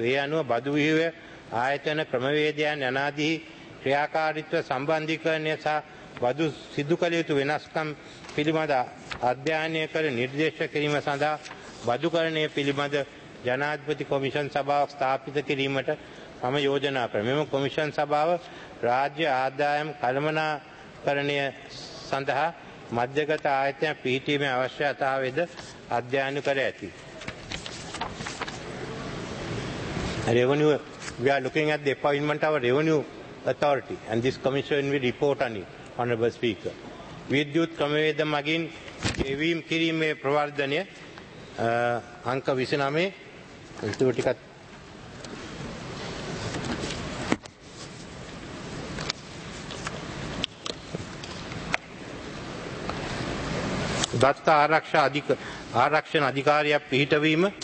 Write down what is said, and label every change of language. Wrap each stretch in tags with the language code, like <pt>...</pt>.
<si>ඒ අනුව බදු විහිවේ ආයතන ක්‍රමවේදයන් යනාදී ක්‍රියාකාරීත්ව සම්බන්ධීකරණය සහ බදු සිදු කළ යුතු වෙනස්කම් පිළිබඳ අධ්‍යයනය කර නිර්දේශ කිරීම සඳහා බදුකරණය පිළිබඳ ජනාධිපති කොමිෂන් සභාවක් ස්ථාපිත කිරීමට මම යෝජනා කරමි. මෙම කොමිෂන් සභාව රාජ්‍ය ආදායම් කළමනාකරණය සඳහා මධ්‍යගත ආයතන පිහිටීමේ අවශ්‍යතාවයද අධ්‍යයනය කර ඇති.</si> <en>Revenue, we are looking at the appointment of a revenue authority and this commission will report on it, Honorable Speaker.</en> <si>විද්‍යුත් ක්‍රමවේද මගින් ගෙවීම් කිරීමේ ප්‍රවර්ධනය අංක 29 ඉතුරු ටිකත් දත්ත ආරක්ෂණ අධිකාරියක් පිහිටවීම</si>